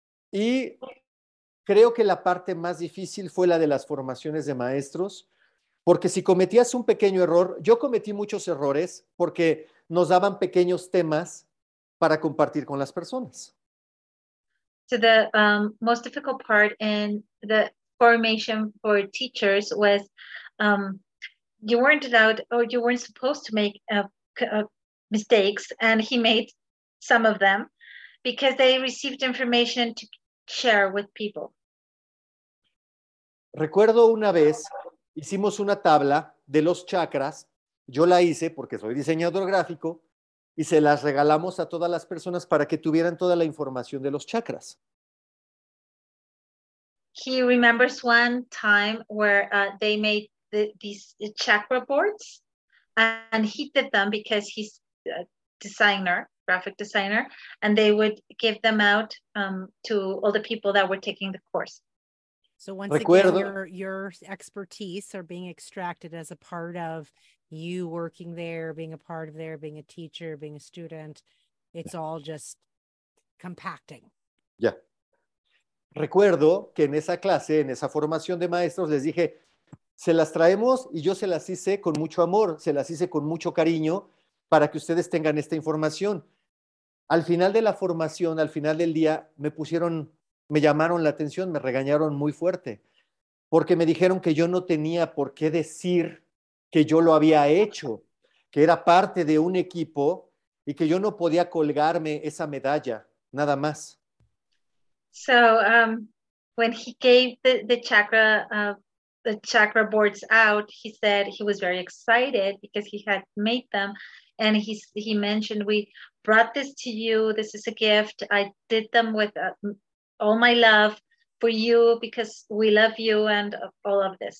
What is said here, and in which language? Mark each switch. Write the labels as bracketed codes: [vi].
[es] Y creo que la parte más difícil fue la de las formaciones de maestros, porque si cometías un pequeño error, yo cometí muchos errores porque nos daban pequeños temas para compartir con las personas. [en] So the most difficult part in the formation for teachers was you weren't allowed or you weren't supposed to make mistakes, and he made some of them because they received information to share with people. [es] Recuerdo una vez hicimos una tabla de los chakras. Yo la hice porque soy diseñador gráfico y se las regalamos a todas las personas para que tuvieran toda la información de los chakras. [en] He remembers one time where they made these chakra boards, and he did them because he's a designer, graphic designer, and they would give them out to all the people that were taking the course. So once again, your expertise are being extracted as a part of you working there, being a part of there, being a teacher, being a student. It's all just compacting. Yeah. [es] Recuerdo que en esa clase, en esa formación de maestros, les dije, se las traemos y yo se las hice con mucho amor, se las hice con mucho cariño para que ustedes tengan esta información. Al final de la formación, al final del día, me llamaron la atención, me regañaron muy fuerte, porque me dijeron que yo no tenía por qué decir que yo lo había hecho, que era parte de un equipo y que yo no podía colgarme esa medalla, nada más. [en] So when he gave the chakra boards out, he said he was very excited because he had made them. And he mentioned, we brought this to you. This is a gift. I did them with all my love for you because we love you and all of this.